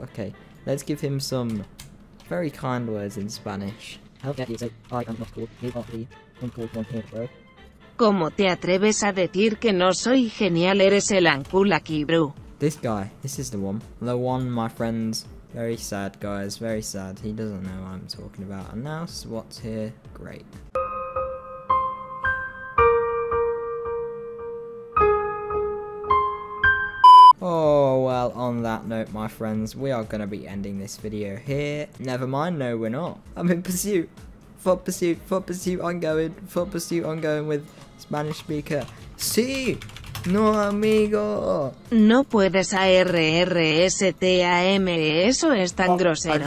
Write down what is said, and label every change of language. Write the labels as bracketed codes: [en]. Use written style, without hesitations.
[en] Okay, let's give him some very kind words in Spanish. I am not cool. You are the uncool one here, bro. [es] ¿Cómo te atreves a decir que no soy genial? Eres el uncool aquí, bro. [en] This guy. This is the one. The one, my friends. Very sad, guys. Very sad. He doesn't know what I'm talking about. And now SWAT's here. Great. Oh, well, on that note, my friends, we are going to be ending this video here. Never mind, no, we're not. I'm in pursuit. Foot pursuit ongoing with Spanish speaker. [es] Sí, no amigo. No puedes ARRSTAME, eso es tan grosero.